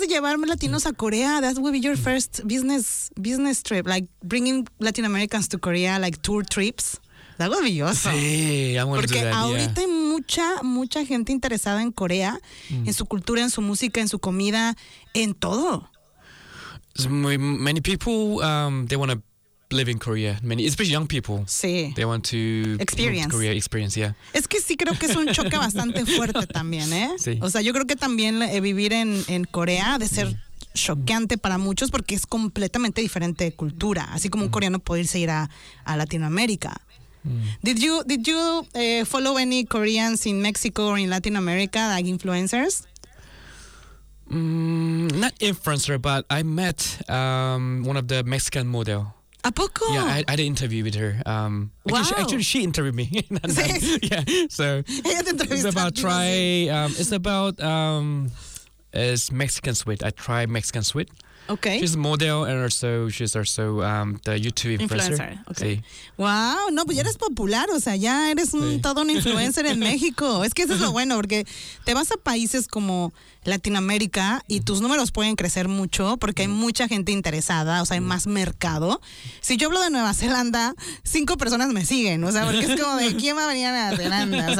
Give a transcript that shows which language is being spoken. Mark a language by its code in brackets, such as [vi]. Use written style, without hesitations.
[es] de llevarme latinos a Corea. [en] That would be your first business trip. Like, bringing Latin Americans to Korea, like tour trips. [es] Algo maravilloso. Sí, amo. Porque [en] that, [es] ahorita [en] yeah, [es] hay mucha, mucha gente interesada en Corea, en su cultura, en su música, en su comida, en todo. [en] Many people, they want to live in Korea. Many, especially young people. [es] Sí. [en] They want to experience Korea experience, yeah. [es] Es que sí creo que es un choque bastante fuerte también, ¿eh? Sí. O sea, yo creo que también vivir en Corea de ser choqueante para muchos porque es completamente diferente de cultura. Así como un coreano puede irse ir a Latinoamérica. [en] Did you follow any Koreans in Mexico or in Latin America, like influencers? Not influencer, but I met one of the Mexican model. [es] ¿A poco? [en] Yeah, I had an interview with her. Wow. Actually, she interviewed me. So it's about is Mexican sweet. I try Mexican sweet. Okay. She's a model and also she's also the YouTube influencer. Okay. [es] Sí. Wow, no, pues ya eres popular, o sea, ya eres todo un influencer en México. Es que eso es lo bueno, porque te vas a países como Latinoamérica y tus números pueden crecer mucho porque hay mucha gente interesada, o sea, hay más mercado. Si yo hablo de Nueva Zelanda, 5 personas me siguen, o sea, porque es como de quién va a venir a Nueva Zelanda.